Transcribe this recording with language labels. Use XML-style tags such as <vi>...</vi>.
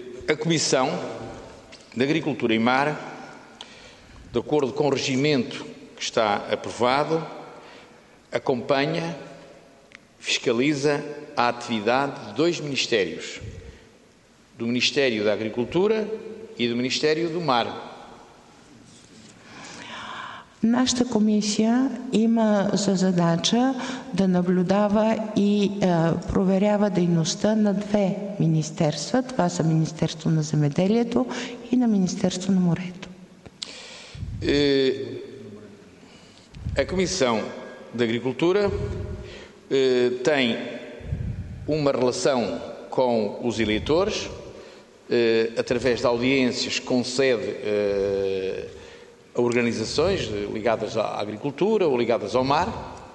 <bg>А комисия на агрикултура и мар,</bg> <pt>de acordo com o regimento que está aprovado, acompanha, fiscaliza a atividade de dois ministérios, do Ministério da Agricultura e do Ministério do Mar.</pt> <bg>Нашата комисия има за задача да наблюдава и проверява дейността на две министерства. Това са Министерство на земеделието и на Министерство на морето.</bg> <pt>A Comissão de Agricultura tem uma relação com os eleitores, através de audiências concede a organizações ligadas à agricultura ou ligadas ao mar.</pt>